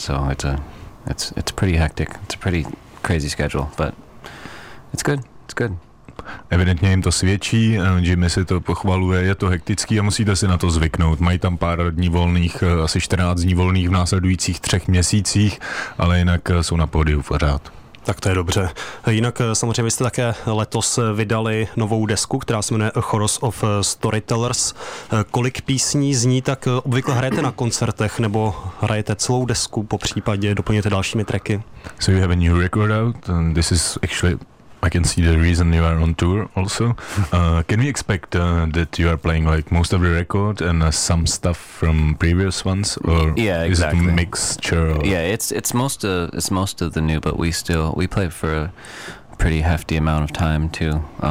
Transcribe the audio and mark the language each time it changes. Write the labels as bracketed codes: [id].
[en] So it's pretty hectic. It's a pretty crazy schedule, but it's good. It's good. [cs] Evidentně jim to svědčí, Jimmy si to pochvaluje, je to hektický a musíte si na to zvyknout. Mají tam pár dní volných, asi 14 dní volných v následujících 3 měsících, ale jinak jsou na pódiu pořád. Tak to je dobře. Jinak samozřejmě jste také letos vydali novou desku, která se jmenuje A Chorus of Storytellers. Kolik písní zní, tak obvykle hrajete na koncertech nebo hrajete celou desku, po případě doplňujete dalšími tracky? [en] So you have a new record out and this is actually... I can see the reason you are on tour also. Can we expect that you are playing like most of the record and some stuff from previous ones, or yeah, exactly. Is it a mixture? Yeah, it's most of the new, but we play for a pretty hefty amount of time too.